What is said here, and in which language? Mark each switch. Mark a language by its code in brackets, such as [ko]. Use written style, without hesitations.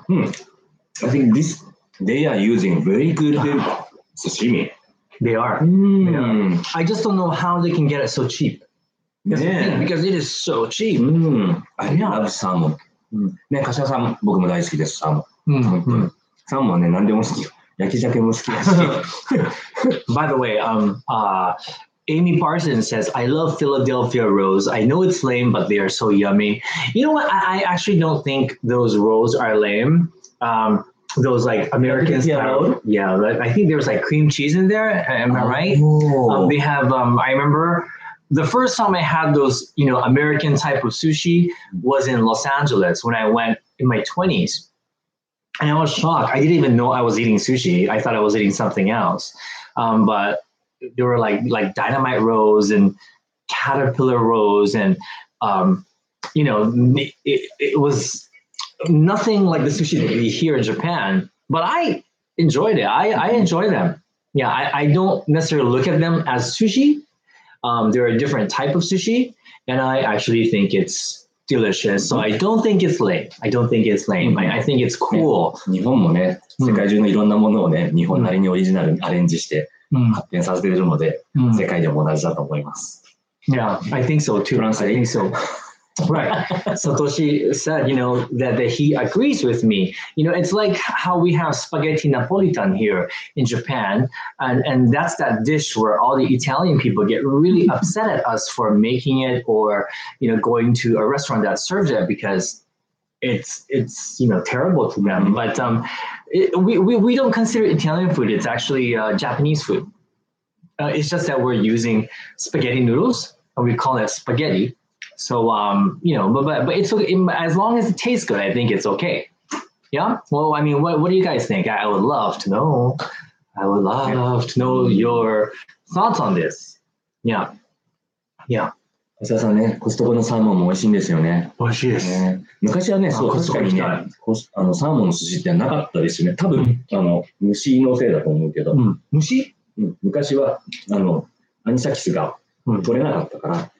[en] Mm. I think this, they are using very good sashimi. They are. Mm. They are. I just don't know how they can get it so cheap. Because it is so cheap. Mm. I love salmon. [ja] Mm. ね、柏さん、僕も大好きです、サーモン。 Mm-hmm. サーモンね、何でも好き。焼き鮭も好きだし。 [en] By the way, Amy Parsons says, I love Philadelphia rolls. I know it's lame, but they are so yummy. You know what? I actually don't think those rolls are lame. Those like American style. Yeah, I think there's like cream cheese in there. Am I right? Oh. They have, I remember the first time I had those, you know, American type of sushi was in Los Angeles when I went in my 20s. And I was shocked. I didn't even know I was eating sushi. I thought I was eating something else. But there were like dynamite rolls and caterpillar rolls. And, you know, it was nothing like the sushi that we hear in Japan. But I enjoyed it. I enjoy them. Yeah, I don't necessarily look at them as sushi. They're a different type of sushi, and I actually think it's delicious. So I don't think it's lame. I don't think it's lame. I think it's cool. [ja] 日本もね、世界中のいろんなものをね、日本なりにオリジナルにアレンジして発展させているので、世界でも同じだと思います。 [en] Yeah, I think so too. France, I think so. Right. Satoshi said, you know, that he agrees with me. You know, it's like how we have spaghetti Napolitan here in Japan. And that's that dish where all the Italian people get really upset at us for making it or, you know, going to a restaurant that serves it because it's you know, terrible to them. But we don't consider Italian food. It's actually Japanese food. It's just that we're using spaghetti noodles and we call it spaghetti. So, you know, but it's okay. As long as it tastes good, I think it's okay. Yeah. Well, I mean, what do you guys think? I would love to know. I would love to know your thoughts on this. Yeah. Yeah. [ja] 安田さんね、コストコのサーモンも美味しいんですよね。美味しいです。ね、昔はね、そう、確かにね、あのサーモンの寿司ってなかったですよね。多分、あの、虫のせいだと思うけど。うん、虫、うん、昔は、あの、アニサキスが、取れなかったから、